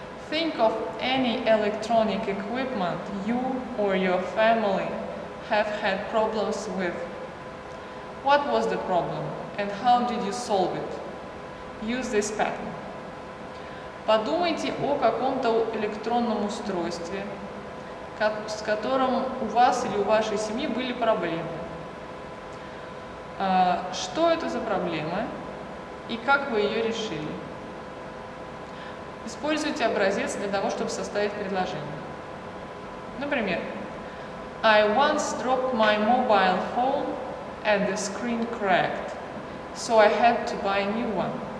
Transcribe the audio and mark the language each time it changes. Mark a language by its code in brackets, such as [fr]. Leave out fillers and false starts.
[en] Think of any electronic equipment you or your family have had problems with. What was the problem and how did you solve it? Use this pattern. [ru] Подумайте о каком-то электронном устройстве, с которым у вас или у вашей семьи были проблемы. Что это за проблема и как вы ее решили? Используйте образец для того, чтобы составить предложение. Например, [en] I once dropped my mobile phone and the screen cracked, so I had to buy a new one.